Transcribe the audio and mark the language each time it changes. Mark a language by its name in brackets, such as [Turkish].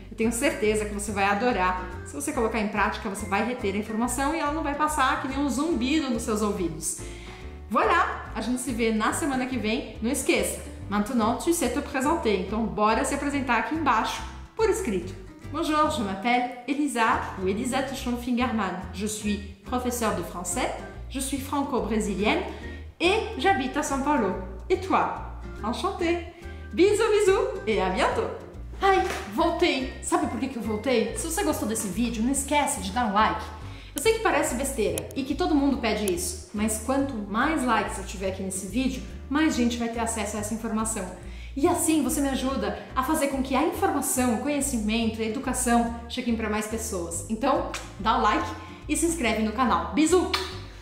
[Portuguese] Eu tenho certeza que você vai adorar. Se você colocar em prática, você vai reter a informação e ela não vai passar que nem um zumbido nos seus ouvidos. Voilà! A gente se vê na semana que vem. Não esqueça, [French] maintenant tu sais te présenter. [Portuguese] Então, bora se apresentar aqui embaixo, por escrito. [French] Bonjour, je m'appelle Elisa ou Elisette Schoenfingermann. Je suis professeure de français, je suis franco-brésilienne et j'habite à São Paulo. Et toi? Enchantée! Bisous, bisous et à bientôt! [Portuguese] Ai, voltei! Sabe por que eu voltei? Se você gostou desse vídeo, não esquece de dar um like. Eu sei que parece besteira e que todo mundo pede isso, mas quanto mais likes eu tiver aqui nesse vídeo, mais gente vai ter acesso a essa informação. E assim você me ajuda a fazer com que a informação, o conhecimento e a educação cheguem para mais pessoas. Então, dá o like e se inscreve no canal. Bisous!